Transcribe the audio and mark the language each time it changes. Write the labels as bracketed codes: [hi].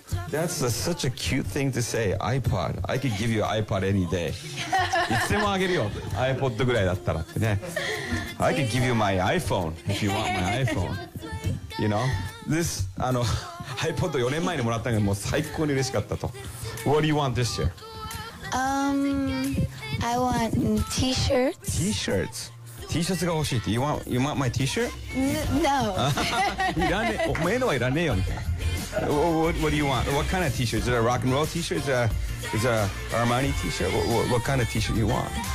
[en] That's such a cute thing to say, iPod. I could give you an iPod any day. [ja] いつでもあげるよ、iPodぐらいだったらってね。 [en] I could give you my iPhone if you want my iPhone. You know? This, [ja] iPod 4年前にもらったのがもう最高に嬉しかったと。 [en] What do you want this year? I want T-shirts. T-shirts? T-shirts [ja] が欲しいって? [en] You want my T-shirt? No. [ja] いらねえ、おめえのはいらねえよみたいな。 [en] What do you want? What kind of T-shirt? Is it a rock and roll T-shirt? Is it a Armani T-shirt? What kind of T-shirt do you want?